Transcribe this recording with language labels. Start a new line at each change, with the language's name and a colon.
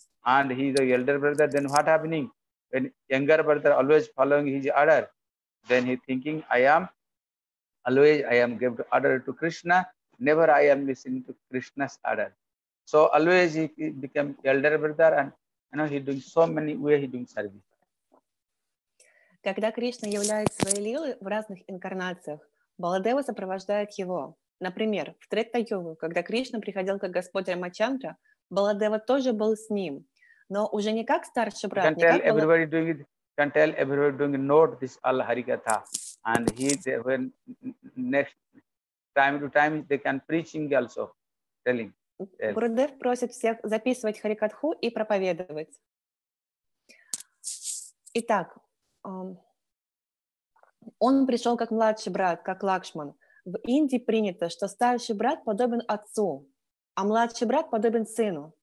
English: And he is the elder brother, then what happening? When younger brother always following his order, then he thinking, I am given order to Krishna, never I am listening to Krishna's order. So always he became elder brother, and you know, he doing so many way he doing service.
Russian: Когда Кришна являет свои лилы в разных инкарнациях, Баладева сопровождает его. Например, в Трета-йогу, когда Кришна приходил как господь Рамачандра, Баладева тоже был с ним, но уже не как старший брат.
English: Can tell everybody doing it. Can tell everybody doing note this all Harikatha, and he when next time to time they can preaching also telling.
Russian: Гурудев просит всех записывать Харикатху и проповедовать. Итак, он пришел как младший брат, как Лакшман. В Индии принято, что старший брат подобен отцу, а младший брат подобен сыну.